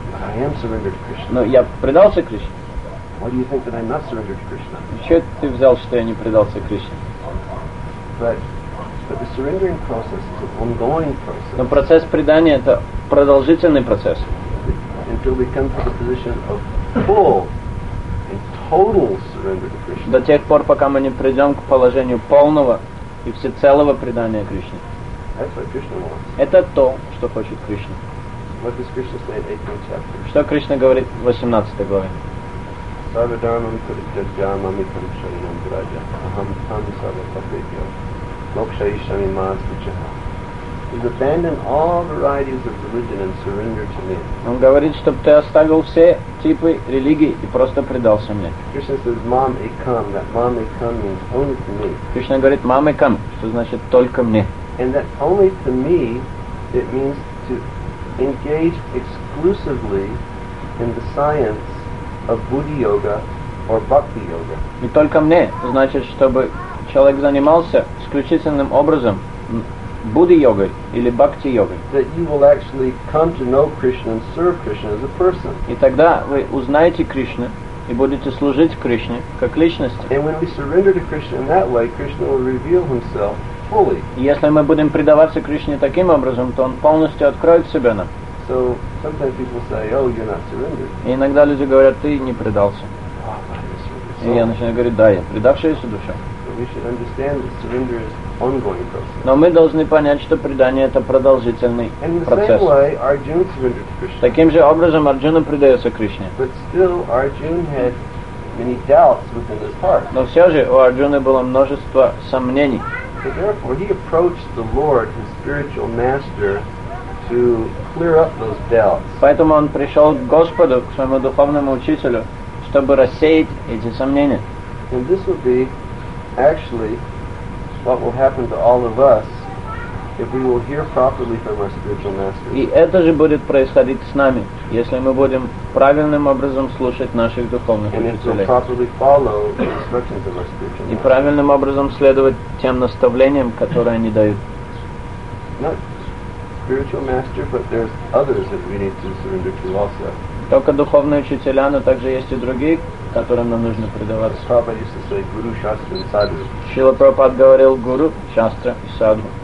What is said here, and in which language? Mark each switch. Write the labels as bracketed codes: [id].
[en] I am surrendered to Krishna. [ru] Но я предался Кришне. [en] Why do you think that I'm not surrendered to Krishna? [ru] Что ты взял, что я не предался Кришне? [en] But the surrendering process is an ongoing process. [ru] Но процесс предания – это продолжительный процесс. [en] Until we come to the position of full total surrender to Krishna. [ru] До тех пор, пока мы не придем к положению полного и всецелого предания Кришне. [en] That's what Krishna wants. [ru] Это то, что хочет Кришна. [en] What does Krishna say in 18th chapter? [ru] Что Кришна говорит в 18 главе? [sa] Sarvadharmam kritajyamam ikramshayam graja aham tam sarvapapetyam mokshayishamimastichaha [en] is abandon all varieties of religion and surrender to me. [ru] Он говорит, чтобы ты оставил все типы религий и просто предался мне. [en] Krishna says, [sa] "Mam ekam." [en] That [sa] "Mam ekam" [en] means only to me. [ru] Кришна говорит, [sa] "Mam ekam," [ru] что значит только мне. [en] And that only to me, it means to engage exclusively in the science of Buddha Yoga or Bhakti Yoga. [ru] И только мне, значит, чтобы человек занимался исключительным образом Будди-йогой или Бхакти-йогой. И тогда вы узнаете Кришну и будете служить Кришне как личности. И если мы будем предаваться Кришне таким образом, то Он полностью откроет себя нам. [en] So, sometimes people say, oh, you're not surrendered. [ru] И иногда люди говорят, ты не предался. И я начинаю говорить, да, я предавшаяся душа. [en] We should understand that surrender is ongoing process. [ru] Но мы должны понять, что предание это продолжительный процесс. [en] In the same way, Arjuna surrendered to Krishna. [ru] Таким же образом Арджуна предается Кришне. [en] But still, Arjuna had many doubts within his heart. [ru] Но все же у Арджуны было множество сомнений. [en] So therefore, he approached the Lord, his spiritual master, to clear up those doubts. [ru] Поэтому он пришел к Господу, к своему духовному учителю, чтобы рассеять эти сомнения. [en] And this will be actually what will happen to all of us if we will hear properly from our spiritual masters. [ru] И это же будет происходить с нами, если мы будем правильным образом слушать наших духовных учителей. [en] And if we properly follow the instructions of our spiritual masters. [ru] И правильным образом следовать тем наставлениям, которые они дают. [en] Not spiritual master, but there's others that we need to surrender to also. [ru] Только духовные учителя, но также есть и другие, которым нам нужно предаваться. [en] Prabhupada used to say, Guru, Shastra, and Sadhu. [ru] Шрила Прабхупада говорил Гуру, Шастра и Садху.